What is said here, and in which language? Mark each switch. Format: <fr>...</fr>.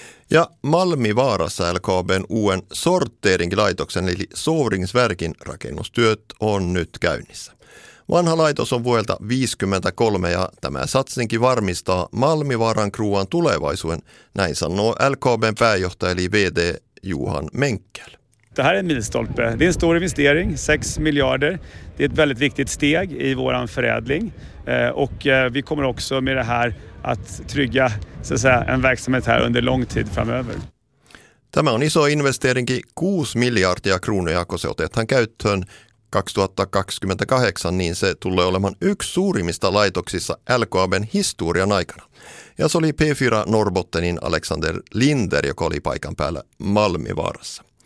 <fi>Ja Malmivaarassa LKB:n uuden sorteeringilaitoksen eli Sovringsverkin rakennustyöt on nyt käynnissä. Vanha laitos on vuodelta 1953 ja tämä satsinkin varmistaa Malmivaaran kruuan tulevaisuuden, näin sanoo LKB:n pääjohtaja eli VD Johan Menkkel.</fi> <sv>Det här är en milstolpe. Det är en stor investering, 6 miljarder. Det är ett väldigt viktigt steg i våran förädling. Och vi kommer också med det här att trygga så att säga, en verksamhet här under lång tid framöver.</sv> <fi>Tämä on iso</fi> <sv>investering i</sv> <fi>6 miljardia kronoja, kun se otetaan käyttöön 2028, niin se tulee olemaan yksi suurimmista laitoksissa LKABn historian aikana. Ja se oli P4 Norrbottenin Alexander Linder, joka oli paikan päällä Malmivaarassa.</fi>